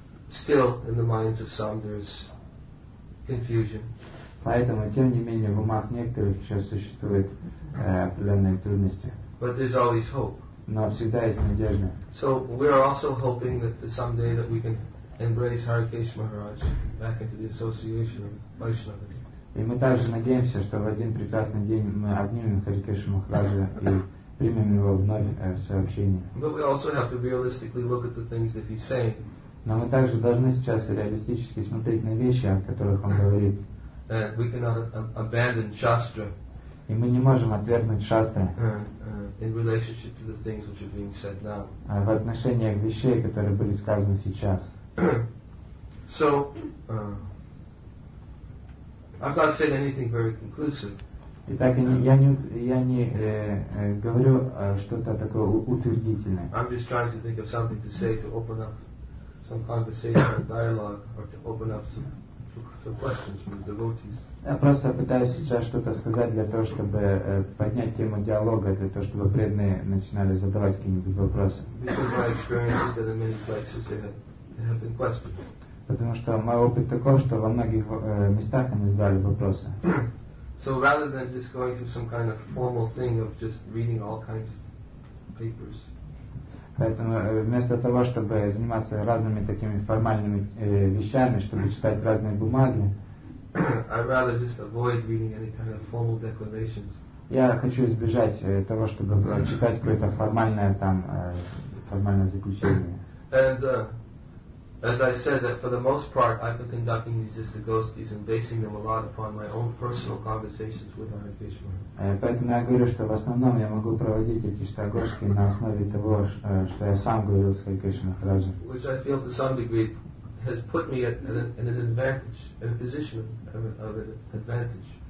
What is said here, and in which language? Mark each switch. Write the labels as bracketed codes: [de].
[en] Still, in the minds of some, there is confusion. [ru] Поэтому, тем не менее, в умах некоторых еще существуют определенные трудности. [en] But there's always hope. [ru] Но всегда есть надежда. [en] So we are also hoping that someday that we can embrace Hari Krishna Maharaj back into the association of Vaishnavas. [ru] И мы также надеемся, что в один прекрасный день мы обнимем Хари Кришну Махараджа и примем его вновь в свое общение. [en] But we also have to realistically look at the things that he's saying. [ru] Но мы также должны сейчас реалистически смотреть на вещи, о которых он говорит. [en] We cannot abandon Shastra. [ru] И мы не можем отвергнуть Шастры. [en] In relationship to the things which are being said now. [ru] В отношении к вещей, которые были сказаны сейчас. [en] So, I've not said anything very conclusive. [ru] Итак, я не говорю что-то такое утвердительное. [en] I'm just trying to think of something to say to open up some conversation or dialogue or to open up some questions from the devotees. [ru] Я просто пытаюсь сейчас что-то сказать для того, чтобы поднять тему диалога, для того, чтобы преданные начинали задавать какие-нибудь вопросы. [en] Because my experience is that in many places there have been questions. [ru] Потому что мой опыт такой, что во многих местах они задали вопросы. [en] So rather than just going through some kind of formal thing of just reading all kinds of papers. [ru] Поэтому вместо того, чтобы заниматься разными такими формальными вещами, чтобы читать разные бумаги, [en] I'd rather just avoid reading any kind of formal declarations. [ru] Я хочу избежать того, чтобы читать какое-то формальное там формальное заключение. [en] And, as I said, that for the most part, I've been conducting these Zistagostis and basing them a lot upon my own personal conversations with Hare Krishna. [ru] Поэтому я говорю, что в основном я могу проводить эти Zistagosti на основе того, что я сам говорил с Hare Krishna Maharaj. [en] Which I feel to some degree has put me in an advantage, in a position of an advantage.